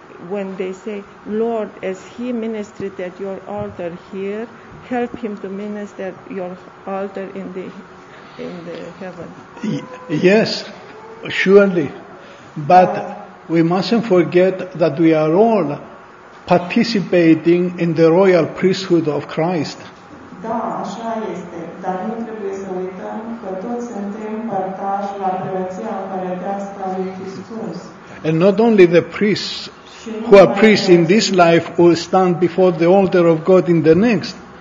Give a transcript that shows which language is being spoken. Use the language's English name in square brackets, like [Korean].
[English] When they say, Lord, as he ministered at your altar here, help him to minister your altar in the heaven. Yes, surely. But we mustn't forget that we are all participating in the royal priesthood of Christ. [Romanian] Da, așa este. Dar nu trebuie să uităm că toți suntem partași la preoția împărătească a lui Hristos. [English] And not only the priests who are priests in this life will stand before the altar of God in the next.